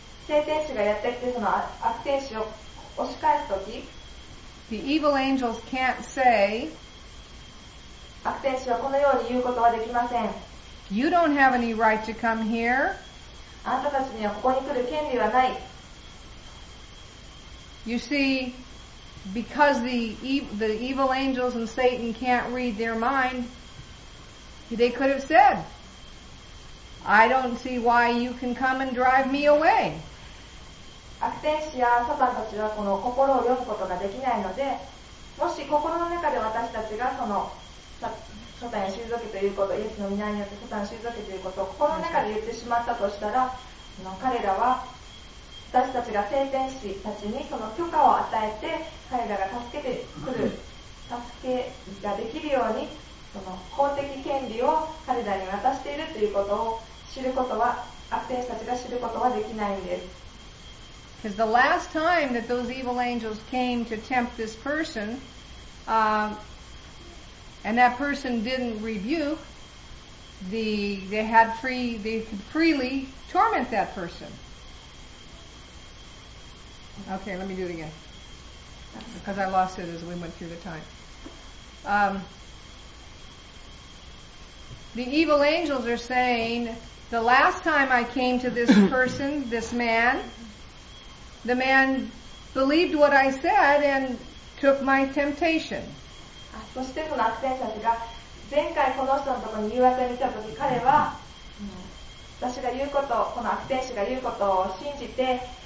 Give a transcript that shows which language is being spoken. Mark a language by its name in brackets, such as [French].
[Japanese] 聖天使がやってきてその悪天使を押し返すとき、 [English] the evil angels can't say, [Japanese] 悪天使はこのように言うことはできません。 [English] You don't have any right to come here. [Japanese] あなたたちにはここに来る権利はない。 [English] You see,Because the evil angels and Satan can't read their mind, they could have said, I don't see why you can come and drive me away. [Japanese] 悪天使やサタンたちはこの心を読むことができないので、もし心の中で私たちがそのサタンを退けということ、イエスの御名によってサタンを退けということを心の中で言ってしまったとしたら、その彼らは私たちが聖天使たちにその許可を与えて彼らが助けてくる助けができるようにその公的権利を彼らに渡しているということを知ることは悪天使たちが知ることはできないんです。 [English] Because the last time that those evil angels came to tempt this person、and that person didn't rebuke the, they had free, they could freely torment that personOkay, let me do it again. Because I lost it as we went through the time. The evil angels are saying, the last time I came to this person, this man, the man believed what I said and took my temptation. [Japanese] そしてこの悪天使たちが前回この人のところに誘惑に来たとき、彼は私が言うこと、この悪天使が言うことを信じて、